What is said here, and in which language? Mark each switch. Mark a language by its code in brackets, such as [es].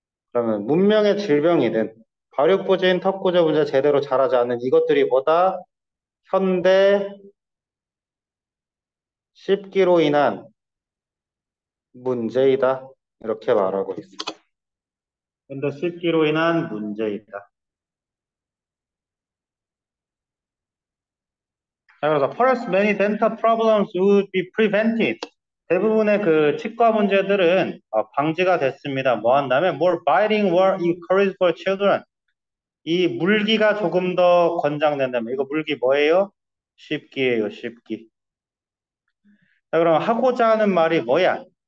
[ko] 그러면 문명의 질병이든 발육부진, 턱구조 문제 제대로 자라지 않는 이것들이 뭐다? 현대 씹기로 인한 문제이다 이렇게 말하고 있습니다. 근데 씹기로 인한 문제이다. 자, 그래서 [en] first many dental problems would be prevented. [ko] 대부분의 그 치과 문제들은 방지가 됐습니다. 뭐 한다면 [en] more biting were encouraged for children. [ko] 이 물기가 조금 더 권장된다면, 이거 물기 뭐예요? 씹기예요, 씹기. 자, 그럼 하고자 하는 말이 뭐야?